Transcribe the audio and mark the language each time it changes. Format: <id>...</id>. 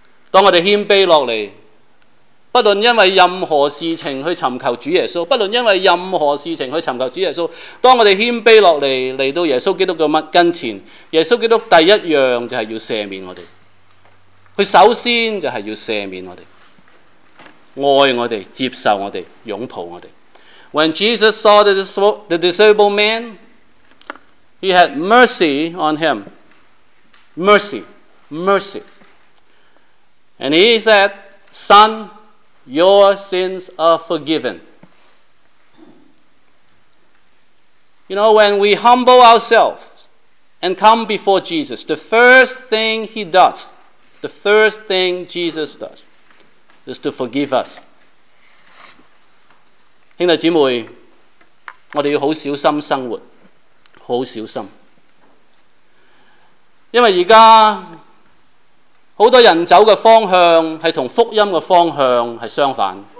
<zh>当我们谦卑下来，不论因为任何事情去寻求主耶稣，不论因为任何事情去寻求主耶稣，当我们谦卑下来，来到耶稣基督的跟前，耶稣基督第一样就是要赦免我们。他首先就是要赦免我们，爱我们，接受我们，拥抱我们。</zh> <en>When Jesus saw the disabled man, he had mercy on him. Mercy, mercy. And he said, Son, your sins are forgiven. You know, when we humble ourselves and come before Jesus, the first thing he does,The first thing Jesus does is to forgive us.</en> <zh>兄弟姐妹，我们要很小心生活，很小心。因为现在很多人走的方向是跟福音的方向是相反。</zh>